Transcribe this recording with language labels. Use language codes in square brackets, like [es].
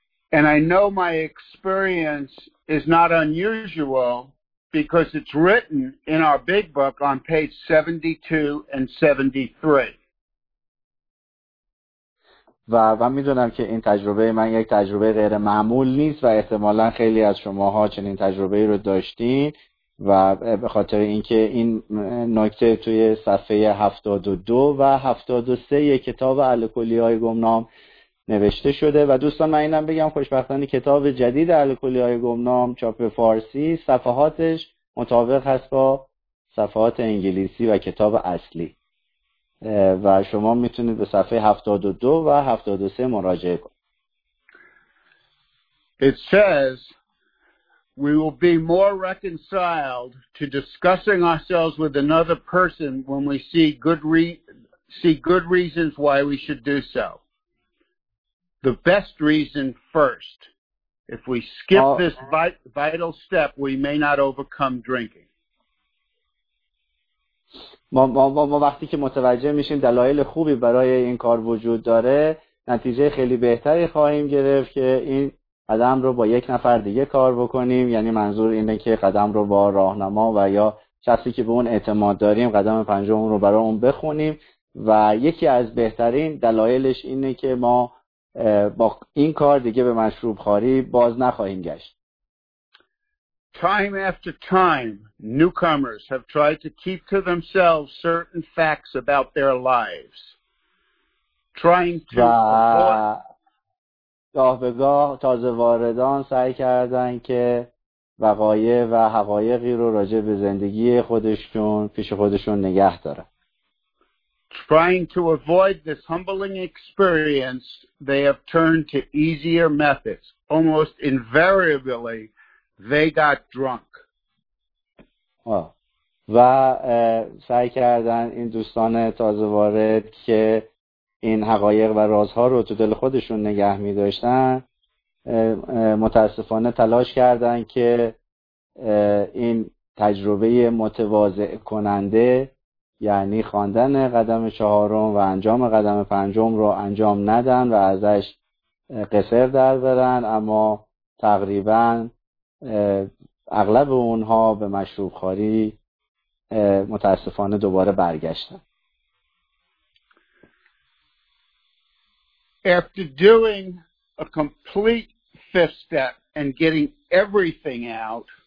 [en] And I know my experience is not unusual because it's written in our big book on page 72 and 73. [fa] و میدونم که این تجربه من یک تجربه غیر معمول نیست و احتمالاً خیلی از شماها چنین تجربه‌ای رو داشتین و به خاطر اینکه این نکته توی صفحه 72 و 73 کتاب الکلی‌های گمنام نوشته شده و دوستان من اینم بگم خوشبختانه کتاب جدید الکلی‌های گمنام چاپ فارسی صفحاتش مطابق هست با صفحات انگلیسی و کتاب اصلی و شما میتونید به صفحه 72 و 73 مراجعه کنید. [en] It says we will be more reconciled to discussing ourselves with another person when we see good reasons why we should do so. The best reason first. If we skip this vital step, we may not overcome drinking. [fa] ما وقتی که متوجه میشیم دلایل خوبی برای این کار وجود داره نتیجه خیلی بهتری خواهیم گرفت که این قدم رو با یک نفر دیگه کار بکنیم، یعنی منظور اینه که قدم رو با راهنما و یا کسی که به اون اعتماد داریم قدم پنجم رو برای اون بخونیم و یکی از بهترین دلایلش اینه که ما با این کار دیگه به مشروب خاری باز نخواهیم گشت. [en] Time after time, newcomers have tried to keep to themselves certain facts about their lives, trying to avoid. [fa] گاه به گاه تازه واردان سعی کردند که وقایع و حقایقی رو راجع به زندگی خودشون پیش خودشون نگه دارن. [en] Trying to avoid this humbling experience, they have turned to easier methods, almost invariably. They got drunk. [fa] و سعی کردن این دوستان تازه وارد که این حقایق و رازها رو تو دل خودشون نگه می داشتن متاسفانه تلاش کردن که این تجربه متواضع کننده یعنی خواندن قدم چهارم و انجام قدم پنجم رو انجام ندن و ازش قصر در برن، اما تقریباً اغلب اونها به مشروب خاری متاسفانه دوباره برگشتن. [en] After doing a complete fifth step and getting everything out,